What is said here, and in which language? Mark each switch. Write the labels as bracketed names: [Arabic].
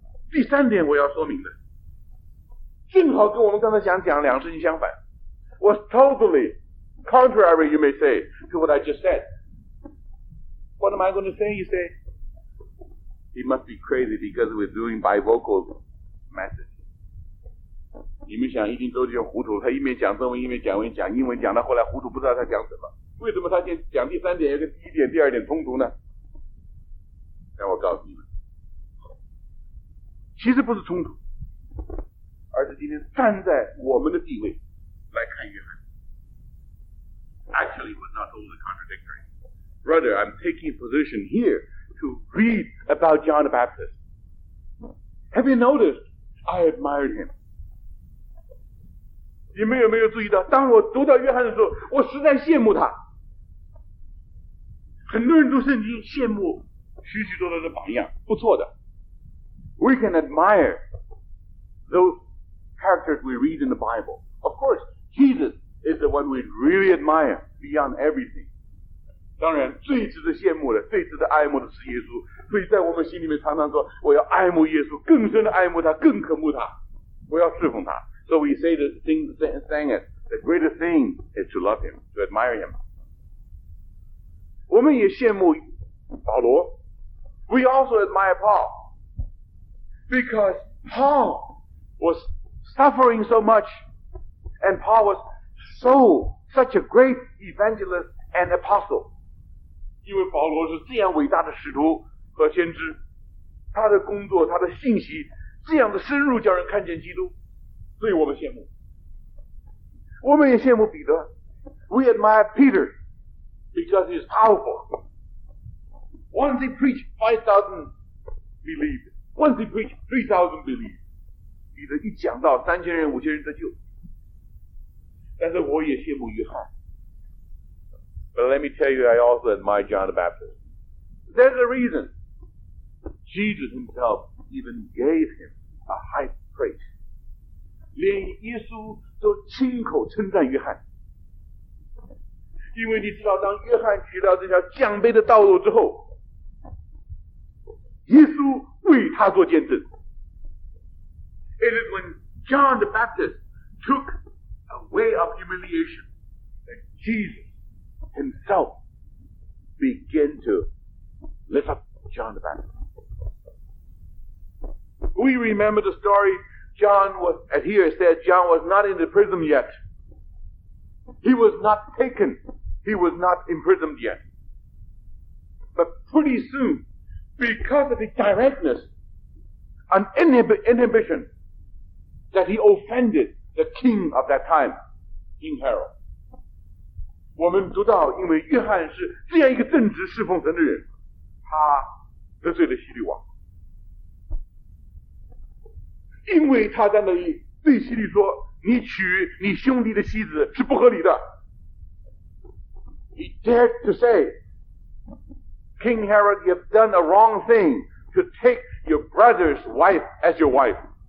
[Chinese] 第三点我要说明的，正好跟我们刚才想讲两事情相反。 [English] Was totally contrary, you may say, to what I just said. What am I going to say, you say? He must be crazy because we're doing bivocal message. [Chinese] 你们想一定都是糊涂，他一面讲中文，一面讲英文，讲英文讲到后来糊涂，不知道他讲什么。为什么他先讲第三点，又跟第一点、第二点冲突呢？让我告诉你们，其实不是冲突。而是今天站在我们的地位来看约翰。 [English] Actually, it was not totally contradictory. Brother, I'm taking a position here to read about John the Baptist. Have you noticed? I admired him. [Chinese] 你们有没有注意到，当我读到约翰的时候，我实在羡慕他。很多人读圣经羡慕许许多多的榜样，不错的。 [English] We can admire those. Characters we read in the Bible. Of course, Jesus is the one we really admire beyond everything. [Chinese] 当然，最值得羡慕的、最值得爱慕的是耶稣。所以在我们心里面常常说，我要爱慕耶稣，更深的爱慕他，更渴慕他，我要侍奉他。 [English] So we say the thing, saying it, the greatest thing is to love him, to admire him. [Chinese] 我们也羡慕保罗。 [English] We also admire Paul. Because Paul was suffering so much. And Paul was such a great evangelist and apostle. [Chinese] 因为保罗是这样伟大的使徒和先知，他的工作，他的信息，这样的深入叫人看见基督，所以我们羡慕。我们也羡慕彼得。 [English] We admire Peter because he is powerful. Once he preached, 5,000 believed. Once he preached, 3,000 believed. [Chinese] 彼得一讲到，三千人、五千人得救。但是我也羡慕约翰。 [English] But let me tell you, I also admire John the Baptist. There's a reason. Jesus himself even gave him a high praise. [Chinese] 连耶稣都亲口称赞约翰。因为你知道，当约翰取到这条降卑的道路之后，耶稣为他做见证。 [English] It is when John the Baptist took a way of humiliation that Jesus himself began to lift up John the Baptist. We remember the story. John was, as here it says, John was not in the prison yet. He was not taken. He was not imprisoned yet. But pretty soon, because of the directness and inhibition that he offended the king of that time, King Herod. [Chinese] 我们读到，因为约翰是这样一个正直侍奉神的人，他得罪了希律王，因为他在那里对希律说：“你娶你兄弟的妻子是不合理的。” [English] He dared to say, "King Herod, you have done a wrong thing to take your brother's wife as your wife."